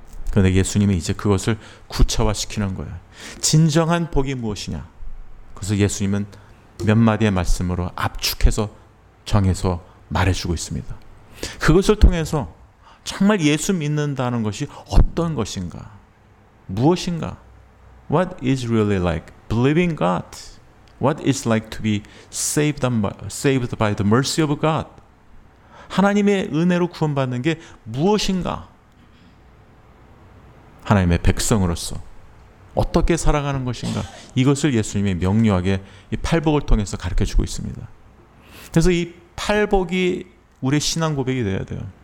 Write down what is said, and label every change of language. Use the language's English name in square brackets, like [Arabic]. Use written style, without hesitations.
[Korean] 그런데 예수님이 이제 그것을 구체화시키는 거예요. 진정한 복이 무엇이냐? 그래서 예수님은 몇 마디의 말씀으로 압축해서 정해서 말해주고 있습니다. 그것을 통해서 정말 예수 믿는다는 것이 어떤 것인가? 무엇인가? [English] What is really like believing God? What is like to be saved by the mercy of God? [Korean] 하나님의 은혜로 구원받는 게 무엇인가? 하나님의 백성으로서 어떻게 살아가는 것인가? 이것을 예수님이 명료하게 이 팔복을 통해서 가르쳐주고 있습니다. 그래서 이 팔복이 우리의 신앙 고백이 되어야 돼요.